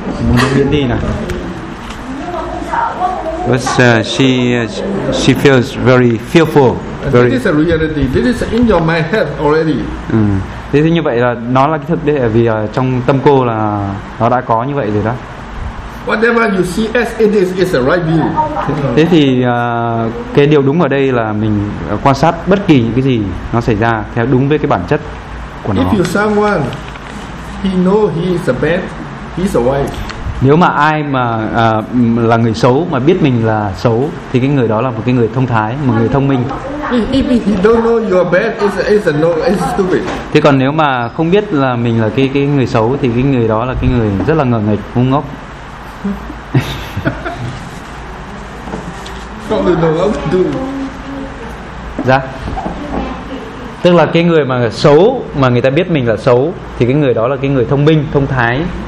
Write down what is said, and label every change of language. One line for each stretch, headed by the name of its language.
Vietnamese: Muốn nó biến đi nào?
English: But she feels very fearful. Very. This is a reality. This is in your mind head already.
Vietnamese: Thế như vậy là nó là cái thực tế, vì trong tâm cô là nó đã có như vậy rồi đó.
English: Whatever you see as it is a right view.
Vietnamese: Thế thì cái điều đúng ở đây là mình quan sát bất kỳ những cái gì nó xảy ra theo đúng với cái bản chất của nó.
English: If you someone he know he is a bad, he is a wise.
Vietnamese: Nếu mà ai mà là người xấu mà biết mình là xấu thì cái người đó là một cái người thông thái, một người thông minh.
English: If he don't know you are bad, it's a no, it's stupid.
Vietnamese: Thế còn nếu mà không biết là mình là cái người xấu thì cái người đó là cái người rất là ngờ nghịch, ngu ngốc. Không được đâu, không được. Dạ. Tức là cái người mà xấu mà người ta biết mình là xấu thì cái người đó là cái người thông minh, thông thái.